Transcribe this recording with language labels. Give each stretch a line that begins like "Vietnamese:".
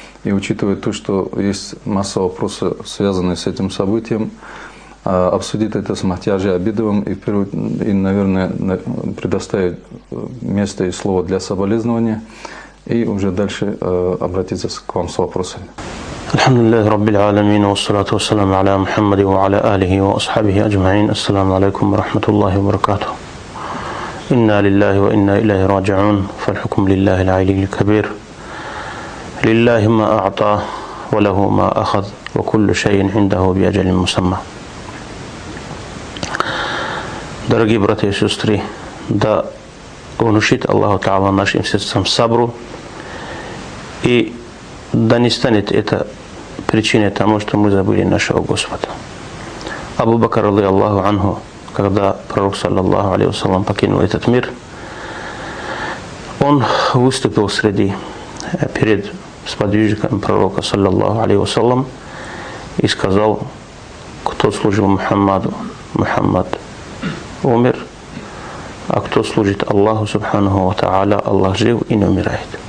Russian: И учитывая то, что есть масса вопросов, связанных с этим событием, обсудить это с Махтиажи Абидовым и, наверное, предоставить место и слово для соболезнования. И уже дальше обратиться к вам с вопросами.
Arabic: الحمد لله رب العالمين والصلاة والسلام على محمد وعلى آله وأصحابه أجمعين. السلام عليكم ورحمة الله وبركاته. إنا لله وإنا إليه راجعون. فالحكم لله العلي الكبير. لله ما أعطى وله ما أخذ وكل شيء عنده بأجل مسمى.
Russian: Дорогие братья и сестры, да внушит Аллах Та'ала нашим сердцам сабру, и да не станет это причиной тому, что мы забыли нашего Господа. Абу Бакр Али Аллаху Анху, когда пророк, саллаллаху алейхи ва саллям, покинул этот мир, он выступил перед сподвижниками пророка, саллаллаху алейхи ва саллям, и сказал, кто служил Мухаммаду, Мухаммад умер, а кто служит Аллаху Субханаху ва Та'аля, Аллах жив и не умирает.